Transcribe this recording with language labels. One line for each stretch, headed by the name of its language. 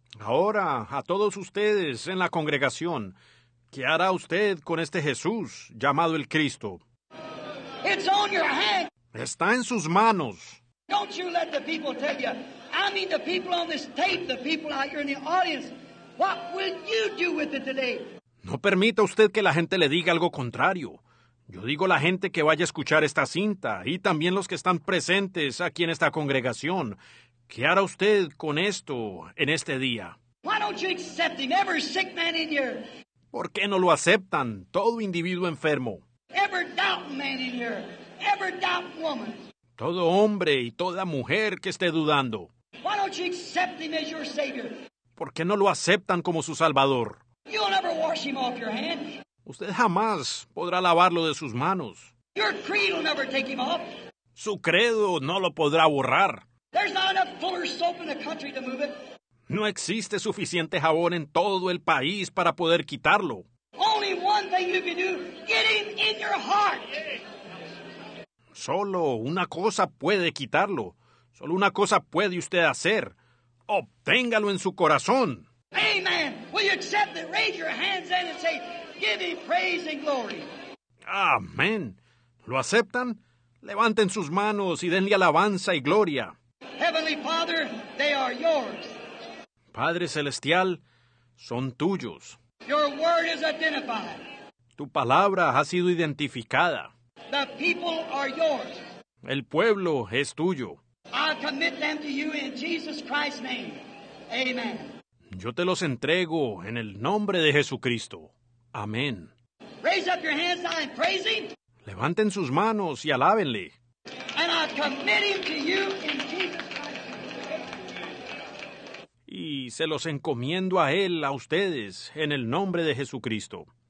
Spanish: Ahora, a todos ustedes en la congregación, ¿qué hará usted con este Jesús llamado el Cristo?
English: It's on your hand.
Spanish: Está en sus manos.
English: Don't you let the people tell you. I mean the people on this tape, the people out here in the audience. What will you do with it today?
Spanish: No permita usted que la gente le diga algo contrario. Yo digo la gente que vaya a escuchar esta cinta y también los que están presentes aquí en esta congregación. ¿Qué hará usted con esto en este día?
English: Why don't you accept him, every sick man in here?
Spanish: ¿Por qué no lo aceptan, todo individuo enfermo?
English: Every doubt man in here, every doubt woman.
Spanish: Todo hombre y toda mujer que esté dudando.
English: Why don't you accept him as your savior?
Spanish: ¿Por qué no lo aceptan como su salvador?
English: You'll never wash him off your hand.
Spanish: Usted jamás podrá lavarlo de sus manos.
English: Your creed will never take him off.
Spanish: Su credo no lo podrá borrar.
English: There's not enough fuller soap in the country to move it.
Spanish: No existe suficiente jabón en todo el país para poder quitarlo.
English: Only one thing you can do, get him in your heart.
Spanish: Solo una cosa puede quitarlo. Solo una cosa puede usted hacer. Obténgalo en su corazón.
English: Amen. Will you accept it? Raise your hands and say, give him praise and glory.
Spanish: Amen. ¿Lo aceptan? Levanten sus manos y denle alabanza y gloria.
English: Heavenly Father, they are yours.
Spanish: Padre Celestial, son tuyos.
English: Your word is identified.
Spanish: Tu palabra ha sido identificada.
English: The people are yours.
Spanish: El pueblo es tuyo.
English: I commit them to you in Jesus Christ's name. Amen.
Spanish: Yo te los entrego en el nombre de Jesucristo. Amén.
English: Raise up your hands now and praise him.
Spanish: Levanten sus manos y alábenle.
English: And I commit him to you in Jesus Christ.
Spanish: Y se los encomiendo a Él, a ustedes, en el nombre de Jesucristo.